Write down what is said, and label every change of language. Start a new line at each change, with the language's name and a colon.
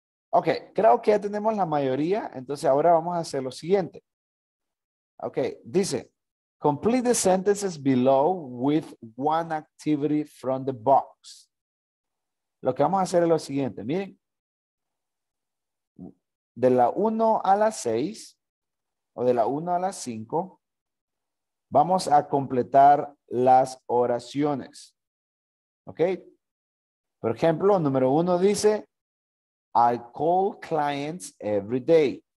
Spanish: Ok, creo que ya tenemos la mayoría, entonces ahora vamos a hacer lo siguiente.
English: Ok, dice, complete the sentences below with one activity from the box.
Spanish: Lo que vamos a hacer es lo siguiente. Miren. De la 1 a la 6 o de la 1 a la 5 vamos a completar las oraciones. ¿Ok? Por ejemplo, número 1 dice,
English: I call clients every day.